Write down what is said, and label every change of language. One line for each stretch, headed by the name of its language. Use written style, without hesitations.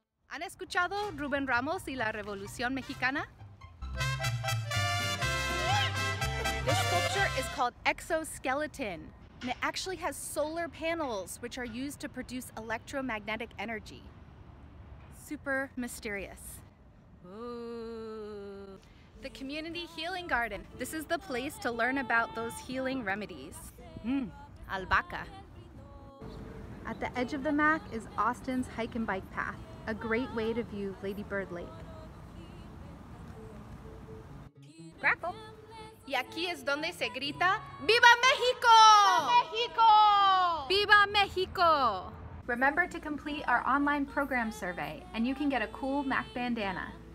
Spanish: ¿Han escuchado Ruben Ramos y la Revolución Mexicana?
English: This sculpture is called Exoskeleton, and it actually has solar panels, which are used to produce electromagnetic energy. Super mysterious. Ooh. The Community Healing Garden. This is the place to learn about those healing remedies.
Spanish: Albahaca.
English: At the edge of the MACC is Austin's hike and bike path, a great way to view Lady Bird Lake. Crackle.
Spanish: Y aquí es donde se grita, ¡Viva México! ¡Viva México! ¡Viva México!
English: Remember to complete our online program survey, and you can get a cool MACC bandana.